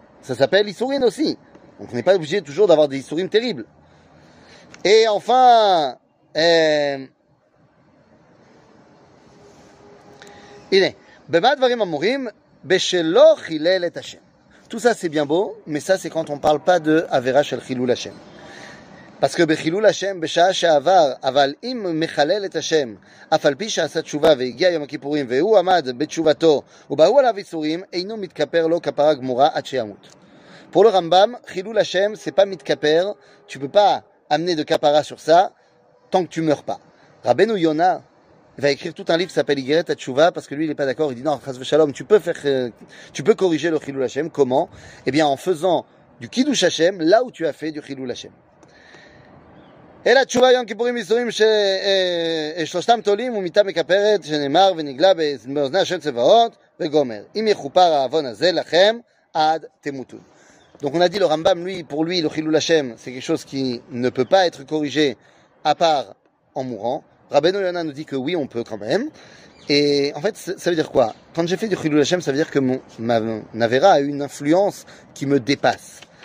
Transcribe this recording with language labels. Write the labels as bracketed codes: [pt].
[fr] Ça s'appelle isurim aussi. Donc on n'est pas obligé toujours d'avoir des isurim terribles. Et enfin [he] Ine, bema dvarim amurim beshelo chilel et Hashem. [fr] Tout ça c'est bien beau, mais ça c'est quand on parle pas de [he] avera shel chilul Hashem. [fr] Parce que [he] בחילול השם בשעה שעבר, אבל אם מחלל את השם, אף על פי שעשה תשובה והגיע יום הכיפורים, והוא עמד בתשובתו, ובאו עליו איסורים, אינו מתכפר לו כפרה גמורה עד שימות. [fr] Pour le Rambam, חילול השם, c'est pas מתכפר, tu peux pas amener de כפרה sur ça, tant que tu meurs pas. Rabbeinu Yonah va écrire tout un livre qui s'appelle Igeret HaTshuva, parce que lui, il est pas d'accord, il dit non, Chas V'Shalom, tu peux corriger le חילול השם, comment? Eh bien, en faisant du Kiddush HaShem, là où tu as fait du חילול השם. [he] אלא תשובה יום כיפורים איסורים ששלושתם תולים ומיטה מכפרת שנאמר ונגלה באוזני השם צבאות וגומר. אם יחופר האבון הזה לכם עד תמותו. [fr] Donc on a dit le Rambam, lui, pour lui, le Chilul Hashem, c'est quelque chose qui ne peut pas être corrigé à part en mourant. Rabbeinu Yonah nous dit que oui, on peut quand même. Et en fait, ça veut dire quoi? Quand j'ai fait du Chilul Hashem, ça veut dire que mon avéra a une influence qui me dépasse.